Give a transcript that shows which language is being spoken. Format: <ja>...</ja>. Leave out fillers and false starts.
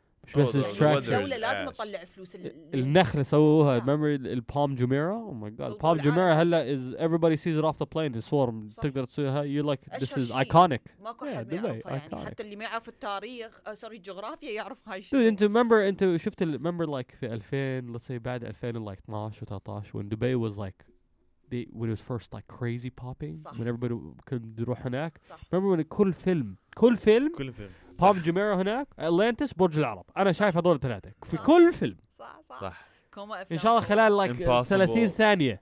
<ar>مش بس attraction. الدولة لازم تطلع فلوس. النخل سووها.</ar> <en>Remember the palm Jumeirah? Oh my God. Palm Jumeirah هلا is everybody sees it off the plane.</en> <ar>الصور تقدر تسويها.</ar> <en>You're like this is iconic.</en> <ar>ماكو حد ما يعرفه يعني. حتى اللي ما يعرف التاريخ sorry الجغرافيا يعرف هاي الشيء.</ar> <en>Dude,</en> <ar>انت شفت</ar> <en>remember like في 2000 let's say بعد 2000 like 12 و13 when Dubai was like when it was first like crazy popping when everybody could</en> <ar>يروح هناك.</ar> <en>Remember when</en> <ar>كل فيلم. كل فيلم. Palm Jumeirah هناك Atlantis برج العرب انا شايف هذول ثلاثه في كل فيلم صح صح ان شاء الله خلال لايك like 30 ثانيه</ar>